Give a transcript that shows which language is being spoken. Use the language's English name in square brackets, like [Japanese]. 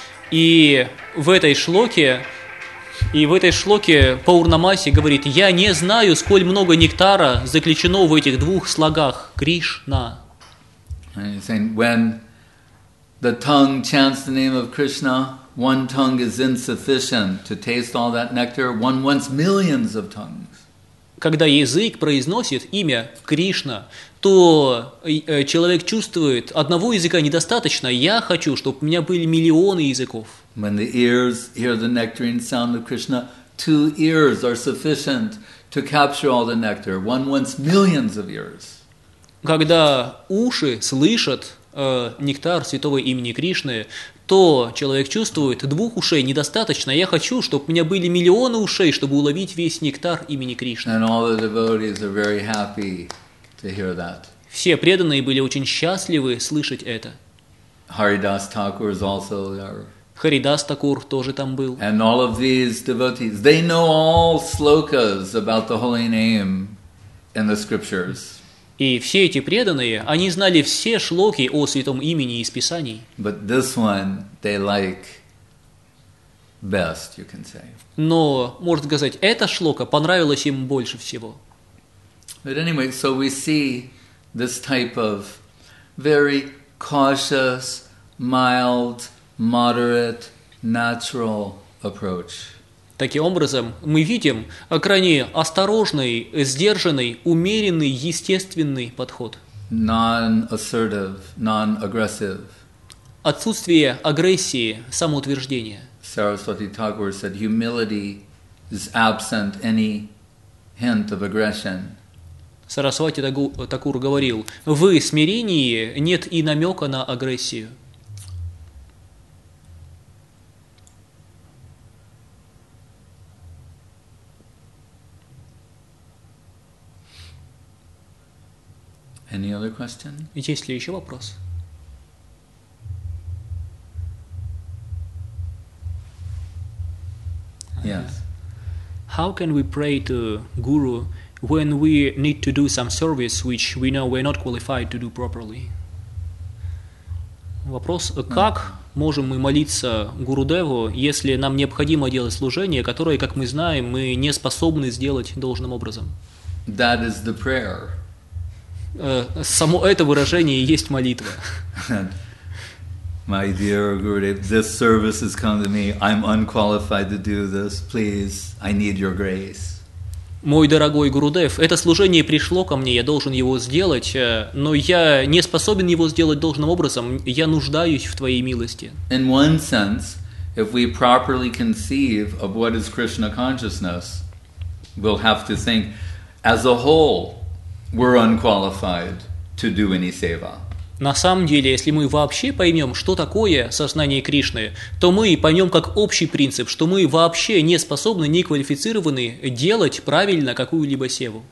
[Russian] И в этой шлоке, Пурнамаси говорит, я не знаю, сколь много нектара заключено в этих двух слогах Кришна. [English] When the tongue chants the name of Krishna, one tongue is insufficient to taste all that nectar. One wants millions of tongues. [Russian] Когда язык произносит имя Кришна, то человек чувствует, одного языка недостаточно. Я хочу, чтобы у меня были миллионы языков. [English] When the ears hear the nectarine sound of Krishna, two ears are sufficient to capture all the nectar. One wants millions of ears. [Russian] Когда уши слышат нектар святого имени Кришны, то человек чувствует, двух ушей недостаточно. Я хочу, чтобы у меня были миллионы ушей, чтобы уловить весь нектар имени Кришны. [English] And all the devotees are very happy to hear that. [Russian] Все преданные были очень счастливы слышать это. [English] Haridas Thakur is also there. [Russian] Харидас Такур тоже там был. [English] And all of these devotees, they know all slokas about the holy name in the scriptures. [Russian] И все эти преданные, они знали все шлоки о святом имени из Писаний. [English] But this one they like best, you can say. [Russian] Но, можно сказать, эта шлока понравилась им больше всего. [English] But anyway, so we see this type of very cautious, mild, moderate, natural approach. [Russian] Таким образом, мы видим крайне осторожный, сдержанный, умеренный, естественный подход. [English] Non-assertive, non-aggressive. [Russian] Отсутствие агрессии, самоутверждения. [English] Saraswati Thakur said, humility is absent any hint of aggression. [Russian] Сарасвати Такур говорил, в смирении нет и намека на агрессию. [English] Any other question? [Russian] Есть ли еще вопрос? [English] Yes. How can we pray to Guru when we need to do some service which we know we're not qualified to do properly? [Russian] Вопрос, как можем мы молиться Гурудеву, если нам необходимо делать служение, которое, как мы знаем, мы не способны сделать должным образом? [English] That is the prayer. [Russian] Само это выражение и есть молитва. [English] My dear Gurudev, this service has come to me. I'm unqualified to do this. Please, I need your grace. [Russian] Мой дорогой Гурудев, это служение пришло ко мне, я должен его сделать, но я не способен его сделать должным образом. Я нуждаюсь в твоей милости. [English] In one sense, if we properly conceive of what is Krishna consciousness, we'll have to think as a whole, we're unqualified to do any seva. [Russian] На самом деле, если мы вообще поймем, что такое сознание Кришны, то мы поймем как общий принцип, что мы вообще не способны, не квалифицированы делать правильно какую-либо севу.